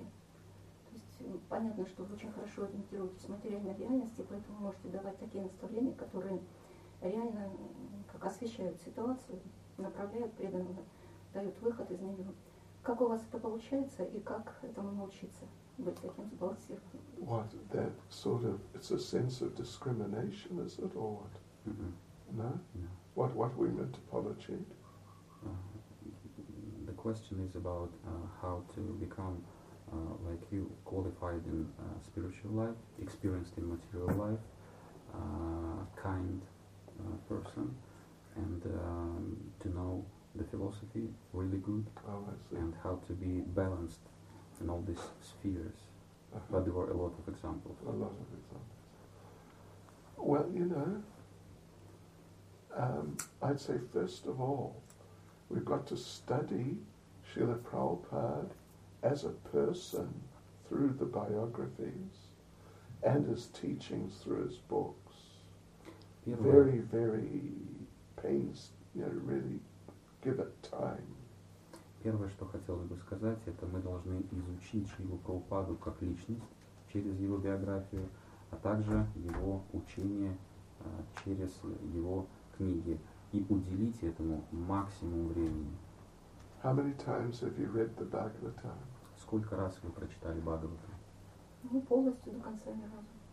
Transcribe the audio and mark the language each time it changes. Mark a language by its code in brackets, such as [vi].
[ru] То есть понятно, что вы очень хорошо ориентируетесь в материальной реальности, поэтому можете давать такие наставления, которые реально как освещают ситуацию, направляют преданного, дают выход из нее. Как у вас это получается, и как этому научиться быть таким сбалансированным? [en] What that sort of, it's a sense of discrimination, is it, or what? Mm-hmm. No? Yeah. What we meant to apologize? The question is about how to become like you, qualified in spiritual life, experienced in material life, kind person, and to know the philosophy, really good, and how to be balanced in all these spheres. Uh-huh. But there were a lot of examples. A lot of examples. Well, you know, I'd say first of all, we've got to study Srila Prabhupada as a person through the biographies and his teachings through his books. Yeah, very, right. Very painstaking, you know, really give it time. [ru] Первое, что хотелось бы сказать, это мы должны изучить Шрилу Прабхупаду как личность через его биографию, а также его учение через его книги и уделить этому максимум времени. [en] How many times have you read the Bhagavatam? [ru] Сколько раз вы прочитали Бхагавату? Ну, полностью до конца ни разу.